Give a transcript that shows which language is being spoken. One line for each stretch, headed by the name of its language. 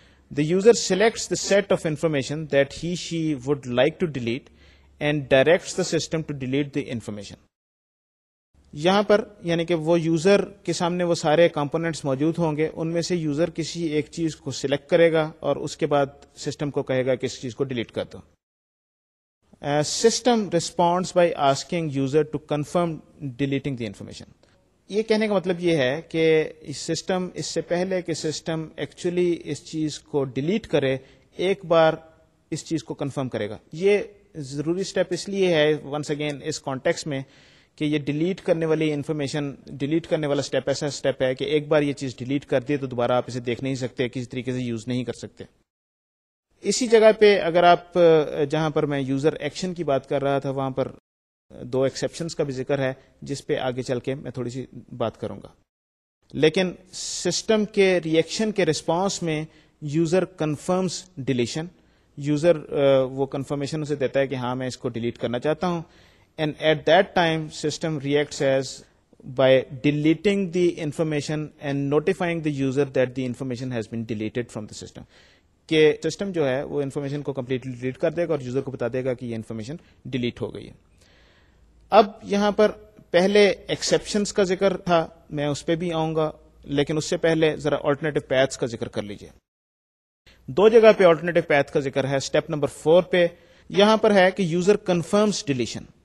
English: The user selects the set of information that he she would like to delete and directs the system to delete the information.
Urdu: یہاں پر یعنی کہ وہ user کے سامنے وہ سارے کمپوننٹس موجود ہوں گے, ان میں سے یوزر کسی ایک چیز کو سلیکٹ کرے گا اور اس کے بعد سسٹم کو کہے گا کہ اس چیز کو ڈیلیٹ کر دو.
English: System responds by asking user to confirm deleting the information.
Urdu: یہ کہنے کا مطلب یہ ہے کہ سسٹم اس سے پہلے کہ سسٹم ایکچولی اس چیز کو ڈیلیٹ کرے, ایک بار اس چیز کو کنفرم کرے گا. یہ ضروری اسٹیپ اس لیے ہے
English: once again
Urdu: اس کانٹیکس میں کہ یہ ڈیلیٹ کرنے والی انفارمیشن, ڈیلیٹ کرنے والا سٹیپ ایسا سٹیپ ہے کہ ایک بار یہ چیز ڈیلیٹ کر دیے تو دوبارہ آپ اسے دیکھ نہیں سکتے, کسی طریقے سے یوز نہیں کر سکتے. اسی جگہ پہ اگر آپ, جہاں پر میں یوزر ایکشن کی بات کر رہا تھا, وہاں پر دو ایکسیپشنز کا بھی ذکر ہے جس پہ آگے چل کے میں تھوڑی سی بات کروں گا. لیکن سسٹم کے ریئیکشن کے ریسپانس میں
English: user confirms deletion,
Urdu: یوزر وہ کنفرمیشن اسے دیتا ہے کہ ہاں میں اس کو ڈیلیٹ کرنا چاہتا ہوں.
English: And at that time, system reacts as by deleting the information and notifying the user that the information has been deleted from the system.
Urdu: کہ سسٹم جو ہے وہ انفارمیشن کو کمپلیٹلی ڈیلیٹ کر دے گا اور یوزر کو بتا دے گا کہ یہ انفارمیشن ڈیلیٹ ہو گئی ہے. اب یہاں پر پہلے ایکسیپشنس کا ذکر تھا, میں اس پہ بھی آؤں گا, لیکن اس سے پہلے ذرا آلٹرنیٹو پیتھس کا ذکر کر لیجیے. دو جگہ پہ آلٹرنیٹو پیتھ کا ذکر ہے. اسٹیپ نمبر فور پہ یہاں پر ہے کہ
English: User confirms deletion.